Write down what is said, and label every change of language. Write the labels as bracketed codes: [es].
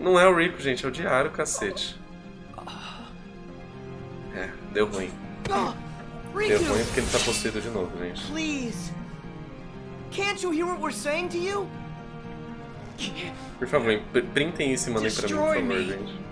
[pt] Não é o Riku, gente, é o diário, cacete. É, deu ruim. Deu ruim porque ele tá possuído de novo, gente. [en] Please. Can't you hear what we're saying to you? [pt] Por favor, printem isso e mandem pra mim, por favor, gente.